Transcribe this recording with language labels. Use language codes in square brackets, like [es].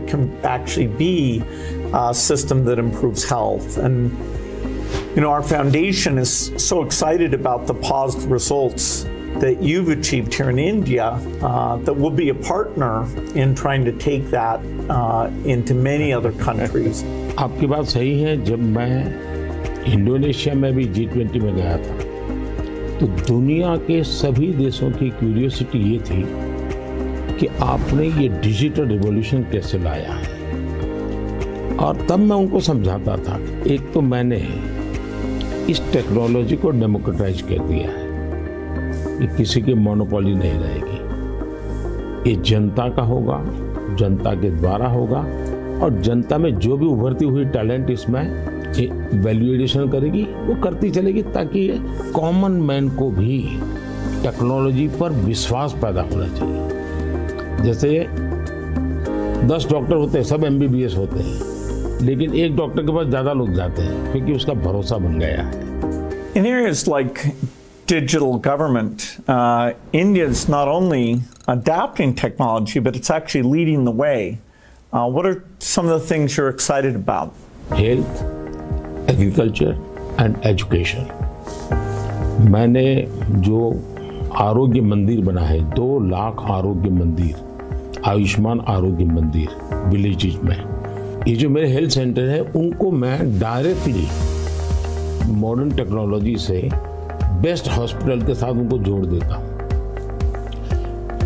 [en] It can actually be a system that improves health. And, you know, our foundation is so excited about the positive results that you've achieved here in India that we'll be a partner in trying to take that into many other countries. [hi] आपकी बात सही है. जब मैं Indonesia में भी G20 में गया था तो दुनिया के सभी देशों की क्यूरियोसिटी ये थी कि आपने ये डिजिटल रिवॉल्यूशन कैसे लाया है. और तब मैं उनको समझाता था, एक तो मैंने इस टेक्नोलॉजी को डेमोक्रेटाइज कर दिया है, ये किसी की मोनोपोली नहीं रहेगी, ये जनता का होगा, जनता के द्वारा होगा, और जनता में जो भी उभरती हुई टैलेंट इसमें वैल्यूएडिशन करेगी वो करती चलेगी, ताकि कॉमन मैन को भी टेक्नोलॉजी पर विश्वास पैदा होना चाहिए. जैसे 10 डॉक्टर होते हैं, सब MBBS होते हैं, लेकिन एक डॉक्टर के पास ज़्यादा लोग जाते हैं क्योंकि उसका भरोसा बन गया है. [en] In areas like digital government. India's not only adapting technology, but it's actually leading the way. What are some of the things you're excited about? Health, agriculture, and education. [hi] मैंने जो आरोग्य मंदिर बना है, 2 लाख आरोग्य मंदिर, आयुष्मान आरोग्य मंदिर, विलेजेज में, ये जो मेरे हेल्थ सेंटर है, उनको मैं डायरेक्टली मॉडर्न टेक्नोलॉजी से बेस्ट हॉस्पिटल के साथ उनको जोड़ देता हूँ।